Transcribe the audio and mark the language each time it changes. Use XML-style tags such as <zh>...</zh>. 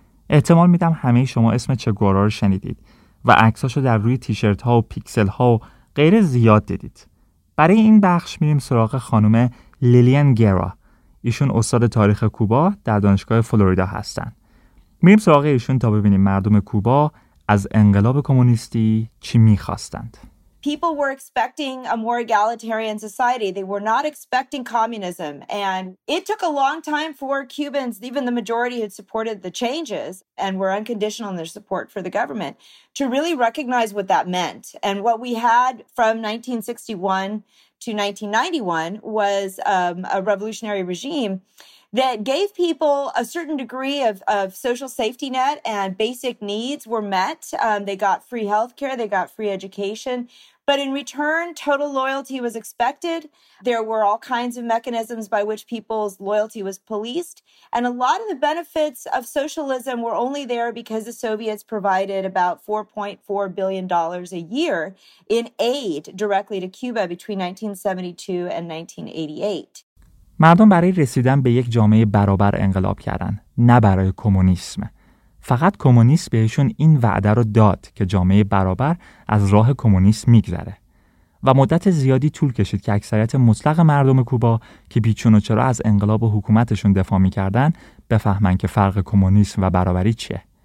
<fa>احتمال میدم همه شما اسم چگوارا رو شنیدید و عکساشو در روی تیشرت ها و پیکسل ها و غیر زیاد دیدید. برای این بخش میریم سراغ خانم لیلیان گرا. ایشون استاد تاریخ کوبا در دانشگاه فلوریدا هستن. میریم سراغ ایشون تا ببینیم مردم کوبا از انقلاب کمونیستی چی میخواستند.</fa> <en>People were expecting a more egalitarian society. They were not expecting communism. And it took a long time for Cubans, even the majority had supported the changes and were unconditional in their support for the government, to really recognize what that meant. And what we had from 1961 to 1991 was a revolutionary regime that gave people a certain degree of social safety net and basic needs were met. They got free healthcare, they got free education. But in return, total loyalty was expected. There were all kinds of mechanisms by which people's loyalty was policed. And a lot of the benefits of socialism were only there because the Soviets provided about $4.4 billion a year in aid directly to Cuba between 1972 and 1988.</en> <fa>مردم برای رسیدن به یک جامعه برابر انقلاب کردن، نه برای کمونیسم. فقط کمونیست بهشون این وعده رو داد که جامعه برابر از راه کمونیست میگذره و مدت زیادی طول کشید که اکثریت مطلق مردم کوبا که بیچون و چرا از انقلاب و حکومتشون دفاع میکردن بفهمن که فرق کمونیسم و برابری چیه.</fa>